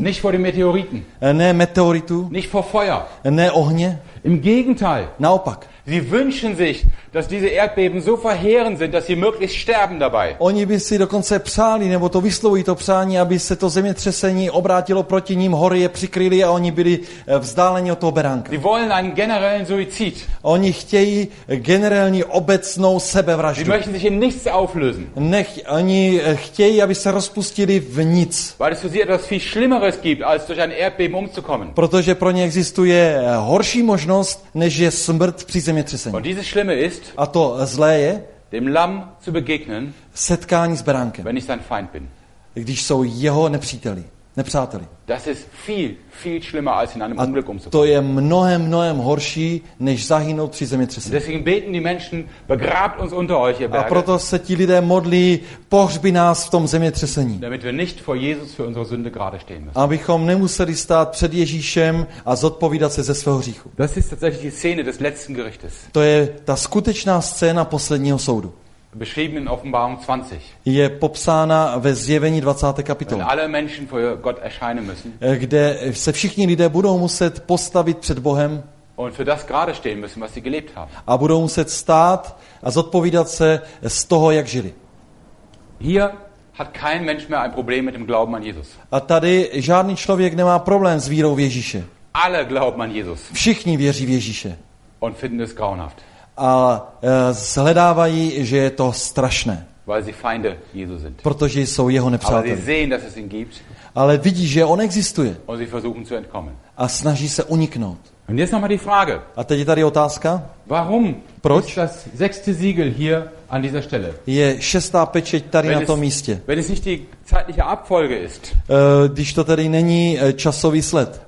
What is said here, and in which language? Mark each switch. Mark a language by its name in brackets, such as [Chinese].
[German] Nicht vor den Meteoriten. [Czech] Ne meteoritu. [German] Nicht vor Feuer. [Czech] Ne ohně. [German] Im Gegenteil. [Czech] Naopak. [German] Sie wünschen sich, dass diese Erdbeben so verheerend sind, dass sie möglichst sterben dabei. [Czech] Oni by si dokonce přáli, nebo to vyslovují to přání, aby se to zemětřesení obrátilo proti ním, hory je přikryly a oni byli vzdáleni od toho beránka. [German] Sie wollen einen generellen Suizid. [Czech] Oni chtějí generální obecnou sebevraždu. [German] Sie möchten sich in nichts auflösen. [Czech] Oni chtějí, aby se rozpustili v nic. [German] Weil es für sie etwas viel Schlimmeres gibt, als durch ein Erdbeben umzukommen. [Czech] Protože pro ně existuje horší možnost, než je smrt při zemětřesení. [German] Und dieses Schlimme ist, [Czech] a to zlé je, [German] dem Lamm zu begegnen, [Czech] setkání s beránkem, [German] wenn ich sein Feind bin. [Czech] Když jsou jeho nepříteli, nepřáteli. [German] Das ist viel, viel schlimmer, als in einem [Czech] a [German] Unglück umzukommen. [Czech] To je mnohem, mnohem horší, než zahynout při zemětřesení. [German] Deswegen beten die Menschen, begrabt uns unter euch, ihr Berge. [Czech] A proto se ti lidé modlí, pohřbi nás v tom zemětřesení. [German] Damit wir nicht vor Jesus für unsere Sünde gerade stehen müssen. [Czech] Abychom nemuseli stát před Ježíšem a zodpovídat se ze svého hříchu. [German] Das ist tatsächlich die Szene des letzten Gerichtes. [Czech] To je ta skutečná scéna posledního soudu. [German] Beschrieben in Offenbarung 20. [Czech] Je popsána ve Zjevení 20. kapitole. [German] Alle Menschen vor Gott erscheinen müssen. [Czech] Kde se všichni lidé budou muset postavit před Bohem. [German] Und für das gerade stehen müssen, was sie gelebt haben. [Czech] A budou muset stát a zodpovídat se z toho, jak žili. [German] Hier hat kein Mensch mehr ein Problem mit dem Glauben an Jesus. [Czech] A tady žádný člověk nemá problém s vírou v Ježíše. [German] Alle glauben an Jesus. [Czech] Všichni věří v Ježíše. [German] Und finden es grauenhaft. [Czech] A shledávají, že je to strašné. [German] Weil sie Feinde Jesu sind. [Czech] Protože jsou jeho nepřáteli. [German] Aber sie sehen, dass es ihn gibt. [Czech] Ale vidí, že on existuje. [German] Und sie versuchen zu entkommen. [Czech] A snaží se uniknout. [German] Und jetzt noch mal die Frage. [Czech] A teď je tady otázka. [German] Warum? [Czech] Proč? [German] Ist das sechste Siegel hier an dieser Stelle? [Czech] Je šestá pečeť tady [German] wenn [Czech] na tom místě. [German] Wenn es nicht die zeitliche Abfolge ist. [Czech] Když to tady není časový sled.